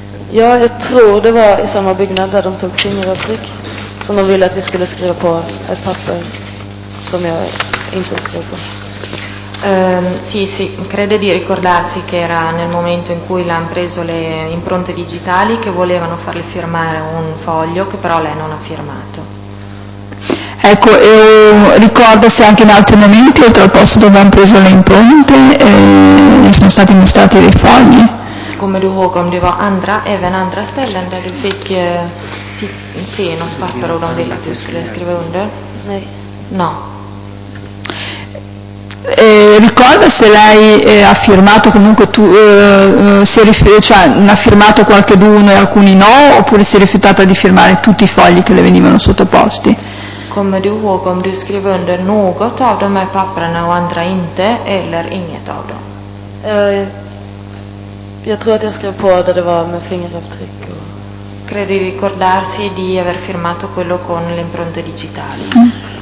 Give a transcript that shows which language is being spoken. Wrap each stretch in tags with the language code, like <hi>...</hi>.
<sv>Ja, jag tror det var i samma byggnad där de tog fingeravtryck som de ville att vi skulle skriva på ett papper som jag inte skrev på.</sv> <it>Sì, crede di ricordarsi che era nel momento in cui l'hanno preso le impronte digitali che volevano farle firmare un foglio che però lei non ha firmato. Ecco, ricorda se anche in altri momenti, oltre al posto dove hanno preso le impronte, sono stati mostrati dei fogli?</it> <sv>Come du ihåg om du var andra, även andra ställen där du fick se något papper och de ville att du skulle skriva under? Nej.</sv> <it>No. Ricorda se lei ha firmato comunque tu ha firmato qualche d'uno e alcuni no oppure si è rifiutata di firmare tutti i fogli che le venivano sottoposti.</it> <sv>Come du ihåg om du skrev under något av de här papperna och andra inte eller inget av dem? Jag tror att jag skrev på där det var med fingeravtryck.</sv> <it>Credi ricordarsi di aver firmato quello con le impronte digitali.</it>